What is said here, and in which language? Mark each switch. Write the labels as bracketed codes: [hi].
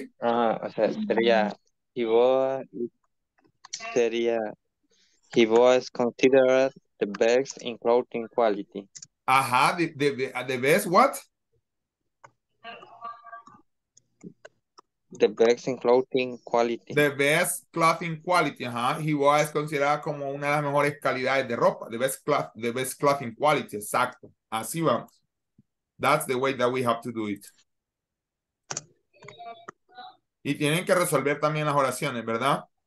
[es] O sea, sería, [en] Jiboa is considered the best in clothing quality. Ajá, the best what? The best in clothing quality. The best clothing quality, ajá. [es] Jiboa es considerada como una de las mejores calidades de ropa. [en] The best clothing quality, [es] exacto. Así vamos. [en] That's the way that we have to do it. [es] Y tienen que resolver también las oraciones, ¿verdad?